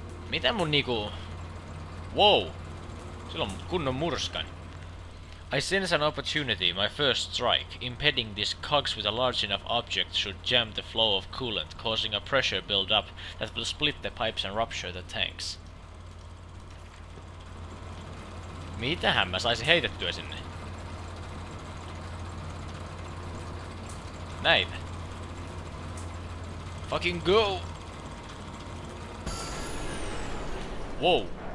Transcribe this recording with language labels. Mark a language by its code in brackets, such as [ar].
[fi] Mitä mun niinku... Wow! Sillä on kunnon murskan. [en] I sense an opportunity, my first strike. Impeding this cogs with a large enough object should jam the flow of coolant, causing a pressure build-up that will split the pipes and rupture the tanks. [fi] Mitähän mä saisin heitettyä sinne? Näin. [en] Fucking go! Whoa!